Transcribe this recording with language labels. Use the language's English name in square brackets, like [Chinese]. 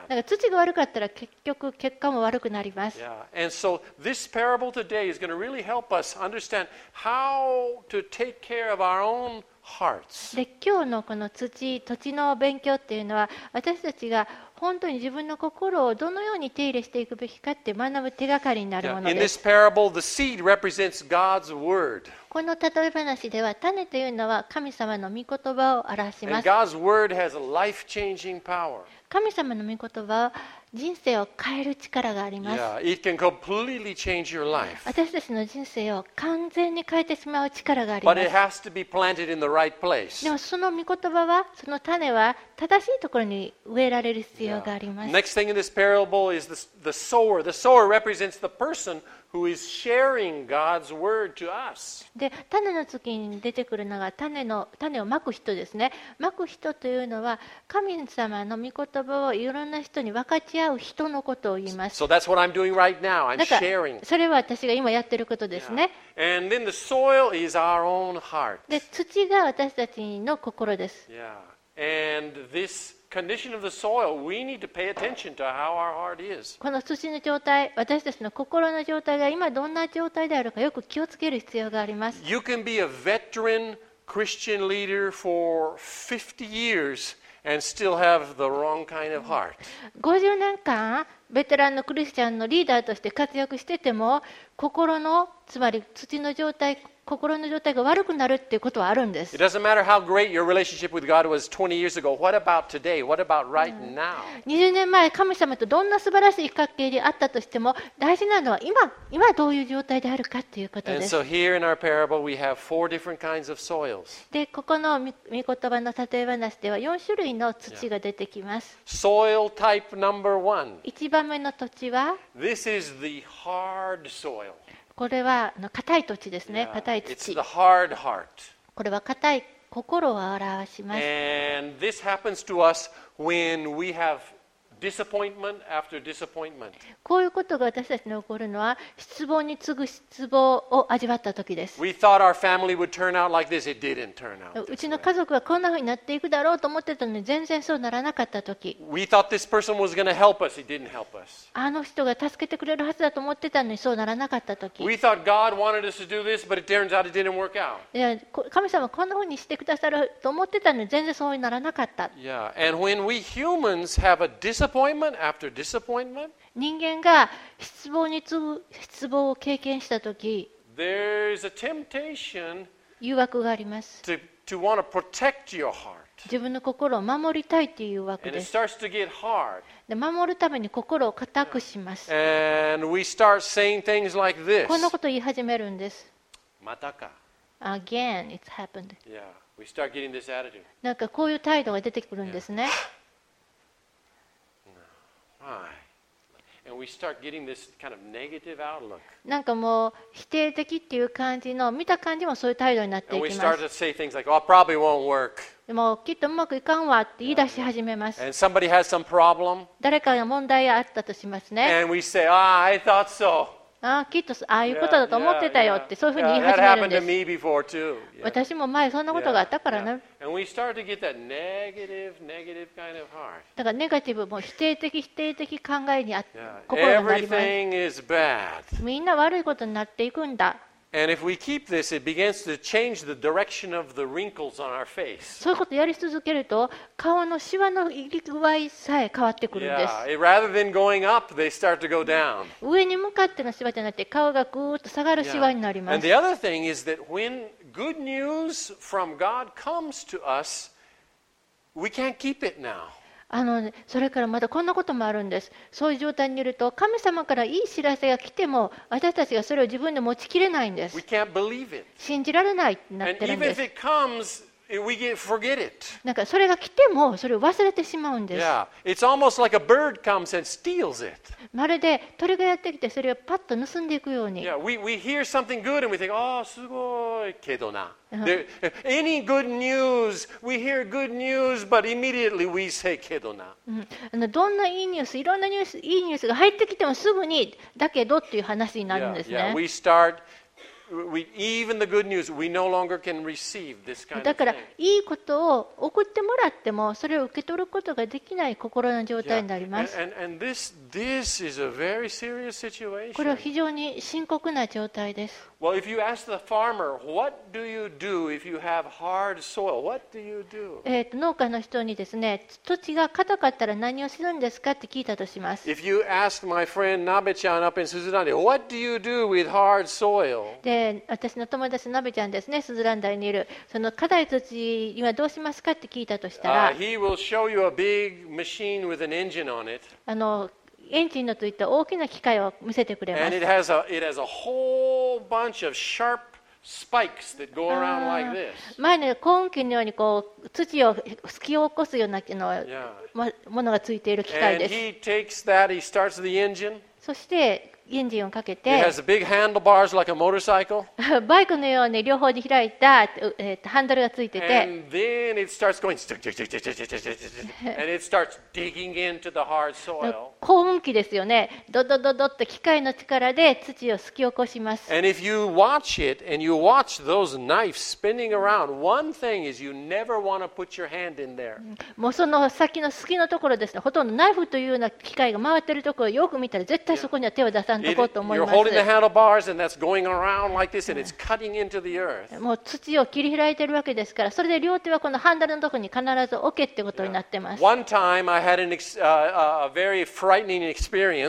[Japanese] だから土が悪かったら結局結果も悪くなります。 [English] Yeah. And so this parable today is going to really help us understand how to take care of our own. [Japanese] で今日のこの土地の勉強っていうのは私たちが本当に自分の心をどのように手入れしていくべきかって学ぶ手がかりになるものです。 [English] In this parable, the seed represents God's word. [Japanese] この例え話では種というのは神様の御言葉を表します。 [English] And God's word has a life-changing power. [Japanese] 神様の御言葉は人生を変える力があります。 [English] Yeah, it can completely change your life. [Japanese] 私たちの人生を完全に変えてしまう力があります。 [English] But it has to be planted in the right place. [Japanese] でもその御言葉は、その種は正しいところに植えられる必要があります。 [English] Yeah. Next thing in this parable is the sower. The sower represents the person who is sharing God's word to us. [Japanese] で、種の次に出てくるのが種をまく人ですね。まく人というのは神様の御言葉をいろんな人に分かち合う人のことを言います。 [English] So that's what I'm doing right now. I'm sharing. [Japanese] それは私が今やっていることですね。 [English] Yeah. And then the soil is our own heart. [Japanese] で、土が私たちの心です。 [English] Yeah. And this condition of the soil, we need to pay attention to how our heart is. [Japanese] この土の状態、私たちの心の状態が今どんな状態であるかよく気をつける必要があります。 [English] You can be a veteran Christian leader for 50 years. And still have the wrong kind of heart. [Japanese] 50年間ベテランのクリスチャンのリーダーとして活躍してても心のつまり土の状態心の状態が悪くなるっていうことはあるんです。 [English] It doesn't matter how great your relationship with God was 20 years ago. What about today? What about right now? [Japanese] 20年前神様とどんな素晴らしい関係であったとしても大事なのは今どういう状態であるかっていうことです。 [English] And so here in our parable we have four different kinds of soils. [Japanese] でここの御言葉の例え話では4種類の土が出てきます。 [English] Yeah. Soil type number one. [Japanese] 一番目の土地は [English] This is the hard soil. [Japanese] これは硬い土地ですね。硬い土。 [English] It's the hard heart. [Japanese] これは硬い心を表します。 [English] And this happens to us when we have disappointment after disappointment. [Japanese] こういうことが私たちに起こるのは失望に次ぐ失望を味わった時です。 [English] We thought our family would turn out like this. It didn't turn out. [Japanese] うちの家族はこんな風になっていくだろうと思ってたのに全然そうならなかった時。 [English] We thought this person was going to help us. It didn't help us. [Japanese] あの人が助けてくれるはずだと思ってたのにそうならなかった時。 [English] We thought God wanted us to do this, but it turns out it didn't work out. [Japanese] いや、神様こんな風にしてくださると思ってたのに全然そうにならなかった。 [English] Yeah, and when we humans have a disappointment after disappointment. [Japanese] 人間が失望に次ぐ失望を経験したとき、 [English] There is a temptation [Japanese] 誘惑があります。 [English] To to want to protect your heart. [Japanese] 自分の心を守りたいというわけです。 [English] And it starts to get hard. [Japanese] で、守るために心を固くします。 [English] And we start saying things like this. [Japanese] こんなことを言い始めるんです。またか。 [English] Again, it's happened. Yeah, we start getting this attitude. [Japanese] なんかこういう態度が出てくるんですね。 [English] Why? And we start getting this kind of negative outlook. [Japanese] なんかもう否定的っていう感じの見た感じもそういう態度になっていきます。 [English] And we start to say things like, "Oh, probably won't work." [Japanese] でもきっとうまくいかんわって言い出し始めます。 [English] Yeah. And somebody has some problem. [Japanese] 誰かが問題があったとしますね。 [English] And we say, "Ah, I thought so." [Japanese] ああきっとああいうことだと思ってたよってそういうふうに言い始めるんです。 [English] That happened to me before too. Yeah. [Japanese] 私も前そんなことがあったからね。 [English] Yeah. Yeah. And we start to get that negative kind of heart. [Japanese] だからネガティブも否定的考えに心になります。 [English] Everything is bad. [Japanese] みんな悪いことになっていくんだ。 [English] And if we keep this, it begins to change the direction of the wrinkles on our face. [Japanese] そういうことをやり続けると、顔のシワの入り具合さえ変わってくるんです。 [English] Yeah. Rather than going up, they start to go down. [Japanese] 上に向かってのシワじゃなくて、顔がぐーっと下がるシワになります。 [English] And the other thing is that when good news from God comes to us, we can't keep it now. [Japanese] それからまたこんなこともあるんです。そういう状態にいると神様からいい知らせが来ても私たちがそれを自分で持ちきれないんです。 [English] We can't believe it. [Japanese] 信じられないってなってるんです。 [English] And even if it comes, we get forget it. [Japanese] なんかそれが来てもそれを忘れてしまうんです。 [English] Yeah. It's almost like a bird comes and steals it. [Japanese] まるで鳥がやってきてそれをパッと盗んでいくように。 [English] Yeah. We hear something good and we think, oh, [Japanese] すごいけどな。 [English] Any good news, we hear good news, but immediately we say [Japanese] けどな。どんないいニュース、いろんなニュース、いいニュースが入ってきてもすぐにだけどっていう話になるんですね。 [English] Yeah, yeah. We start, even the good news, we no longer can receive this kind of thing. [Japanese] だからいいことを送ってもらってもそれを受け取ることができない心の状態になります。 [English] Yeah. And this is a very serious situation. [Japanese] これは非常に深刻な状態です。 [English] Well, if you ask the farmer, what do you do if you have hard soil? What do you do? [Japanese] 農家の人にですね、土地が硬かったら何をするんですかって聞いたとします。 [English] If you ask my friend Nabe-chan up in Suzuran, what do you do with hard soil? [Japanese] で、私の友達Nabe-chanですね、Suzuran台にいる。その硬い土地今どうしますかって聞いたとしたら、 [English] he will show you a big machine with an engine on it. [Japanese] エンジンのついた大きな機械を見せてくれます。 [English] And it has a whole bunch of sharp spikes that go around like this. [Japanese] 前ね、コーン機のようにこう土を突き起こすようなの、yeah. ものがついている機械です。 [English] And he takes that, he starts the engine. [Japanese] そしてエンジンをかけて、 [English] it has a big handlebars like a motorcycle. [Japanese] バイクのように両方に開いた、ハンドルがついてて、 [English] and then it starts going, and it starts digging into the hard soil. [Japanese] 耕運機ですよね。ドドドドって機械の力で土をすき起こします。 [English] And if you watch it and you watch those knives spinning around, one thing is you never want to put your hand in there. [Japanese] もうその先の隙のところですね。ほとんどナイフというような機械が回ってるところをよく見たら絶対そこには手を出さないとこうと思います。 [English] You're holding the handlebars and that's going around like this and it's cutting into the earth. [Japanese] もう土を切り開いてるわけですから、それで両手はこのハンドルのところに必ず置けってことになってます。 [English] One time I had a very frightening experience.